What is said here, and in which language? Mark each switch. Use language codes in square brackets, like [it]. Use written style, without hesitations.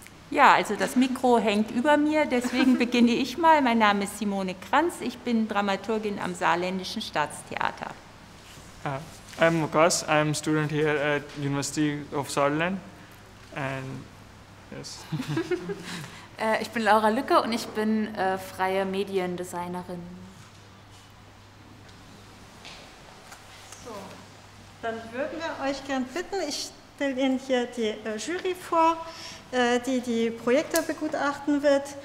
[de] Ja, also das Mikro hängt über mir, deswegen beginne ich mal. Mein Name ist Simone Kranz, ich bin Dramaturgin am Saarländischen Staatstheater. [en] I'm Lukas. I'm a student here at University of Saarland. And yes. [de] Ich bin Laura Lücke und ich bin freie Mediendesignerin. So, dann würden wir euch gern bitten, ich stelle Ihnen hier die Jury vor, die Projekte begutachten wird.